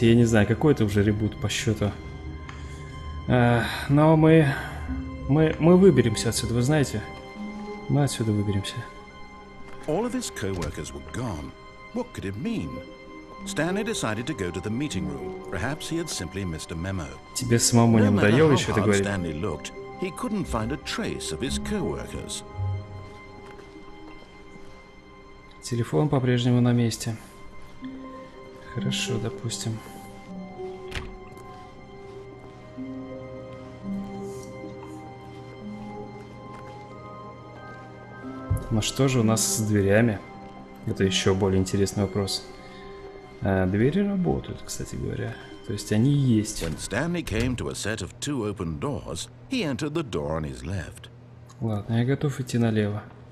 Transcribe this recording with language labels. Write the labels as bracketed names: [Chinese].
[Russian] Я не знаю, какой это уже ребут по счету. Но мы выберемся отсюда, вы знаете. Мы отсюда выберемся. [English] All of his co-workers were gone. What could it mean? Stanley decided to go to the meeting room. Perhaps he had simply missed a memo. [Russian] Тебе самому не надоело еще это говорить? [English] Stanley looked, he couldn't find a trace of his co-workers. [Russian] Телефон по-прежнему на месте. Хорошо, допустим. Но что же у нас с дверями? Это еще более интересный вопрос. Двери работают, кстати говоря. То есть они есть. [English] When Stanley came to a set of two open doors, he entered the door on his left. [Russian] Ладно, я готов идти налево.